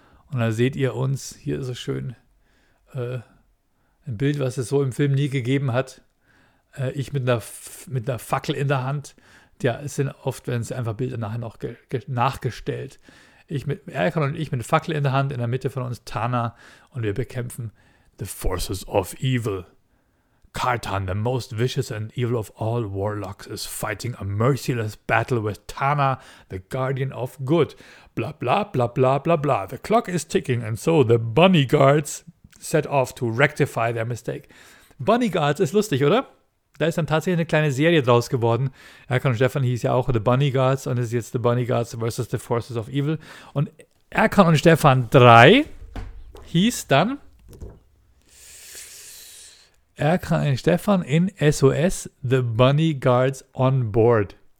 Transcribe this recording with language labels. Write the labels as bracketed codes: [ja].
[de] Und da seht ihr uns, hier ist es schön, ein Bild, was es so im Film nie gegeben hat. Ich mit einer Fackel in der Hand. Ja, es sind oft, wenn es einfach Bilder nachher noch nachgestellt. Erkan und ich mit Fackel in der Hand, in der Mitte von uns Tana und wir bekämpfen the Forces of Evil. [en] Kartan, the most vicious and evil of all warlocks, is fighting a merciless battle with Tana, the guardian of good. Bla bla bla bla bla bla. The clock is ticking and so the bunny guards set off to rectify their mistake. [de] Bunny Guards ist lustig, oder? Da ist dann tatsächlich eine kleine Serie draus geworden. Erkan und Stefan hieß ja auch The Bunny Guards und ist jetzt The Bunny Guards versus The Forces of Evil. Und Erkan und Stefan 3 hieß dann Erkan und Stefan in SOS The Bunny Guards on Board.